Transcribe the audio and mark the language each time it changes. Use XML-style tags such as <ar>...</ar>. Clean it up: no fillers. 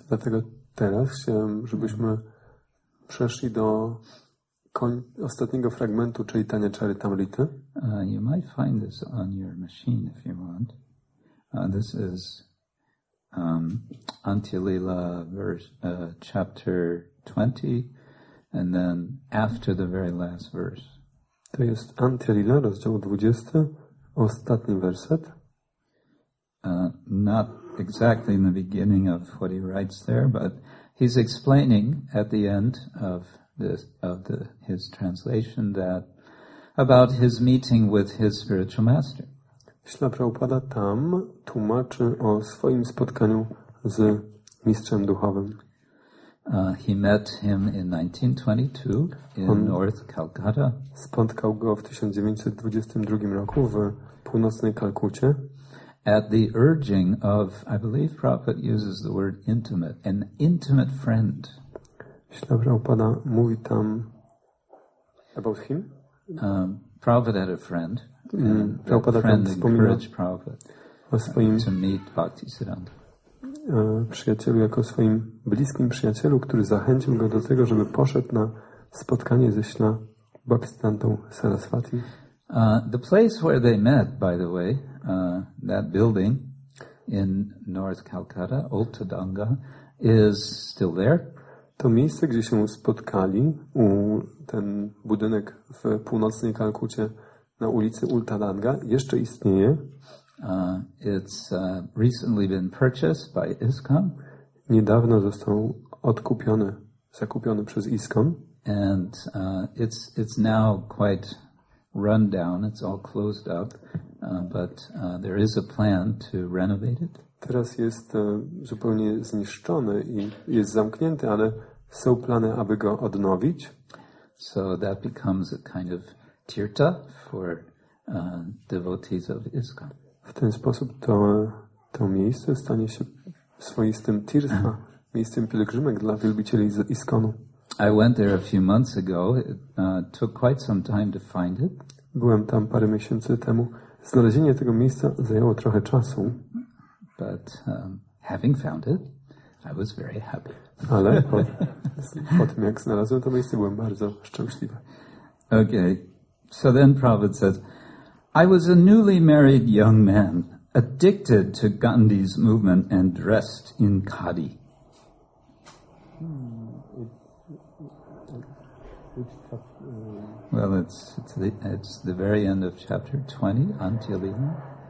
<pl>Dlatego teraz chciałem, żebyśmy przeszli do ostatniego fragmentu Chaitanya Charitamrita.</pl> <en>You might find this on your machine if you want. This is Antilila verse chapter 20 and then after the very last verse.</en> <pl>To jest Antilila, rozdział 20, ostatni werset.</pl> <en>Not exactly in the beginning of what he writes there, but he's explaining at the end of his translation that about his meeting with his spiritual master.</en> <pl>Śla Prabhupada tam tłumaczy o swoim spotkaniu z mistrzem duchowym.</pl> <en>He met him in 1922 in North Calcutta.</en> <pl>Spotkał go w 1922 roku w północnej Kalkucie.</pl> <en>At the urging of, I believe Prabhupada uses the word intimate, an intimate friend.</en> <pl>Śla Prabhupada mówi tam</pl> <en>about him. Prabhupada had a friend. Prabhupada friend encouraged Prabhupada to meet Bhaktisiddhanta.</en> <pl>Przyjacielu, jako swoim bliskim przyjacielu, który zachęcił go do tego, żeby poszedł na spotkanie ze Śla Bhaktisiddhantą Sarasvati.</pl> <en>The place where they met, by the way, that building in North Calcutta, Old Tadanga, is still there.</en> <pl>To miejsce, gdzie się spotkali, ten budynek w północnej Kalkucie na ulicy Old Tadanga, jeszcze istnieje.</pl> <en>It's recently been purchased by ISKCON.</en> <pl>Niedawno został odkupiony, zakupiony przez ISKCON.</pl> <en>And it's now quite run down. It's all closed up, but there is a plan to renovate it.</en> <pl>Teraz jest zupełnie zniszczony i jest zamknięty, ale są plany, aby go odnowić.</pl> <en>So that becomes a kind of tirtha for devotees of ISKCON.</en> <pl>W ten sposób to miejsce stanie się swoistym tirtha, miejscem pielgrzymek dla wielbicieli ISKCON-u.</pl> <en>I went there a few months ago. It took quite some time to find it.</en> <pl>Byłem tam parę miesięcy temu. Znalezienie tego miejsca zajęło trochę czasu.</pl> <en>But having found it, I was very happy.</en> <pl>Ale po tym, jak znalazłem to miejsce, byłem bardzo szczęśliwy.</pl> <en>Okay. So then Prabhupada said, I was a newly married young man, addicted to Gandhi's movement and dressed in khadi. Well, it's the very end of chapter 20, Antyalila.</en>